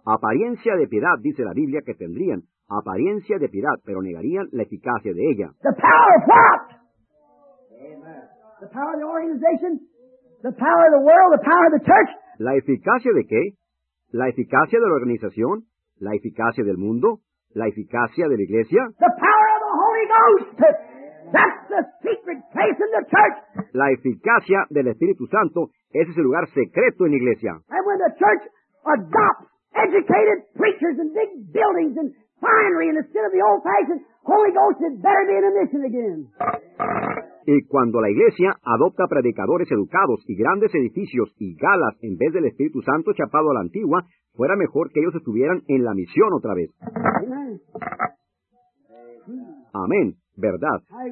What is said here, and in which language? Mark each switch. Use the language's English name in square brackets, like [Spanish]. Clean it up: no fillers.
[Spanish] Apariencia de piedad, dice la Biblia, que tendrían. Apariencia de piedad, pero negarían la eficacia de ella. [English] The power of what? Amen. The power of the organization? The power of the world? The power of the church? [Spanish] ¿La eficacia de qué? ¿La eficacia de la organización? ¿La eficacia del mundo? ¿La eficacia de la iglesia? [English] The power of the Holy Ghost. That's the secret place in the church. [Spanish] La eficacia del Espíritu Santo, ese es el lugar secreto en la iglesia. [English] And when the church adopts educated preachers and big buildings and finery instead of the old fashioned Holy Ghost, it better be in a mission again. [Spanish] Y cuando la iglesia adopta predicadores educados y grandes edificios y galas en vez del Espíritu Santo chapado a la antigua, fuera mejor que ellos estuvieran en la misión otra vez. Amén. Verdad.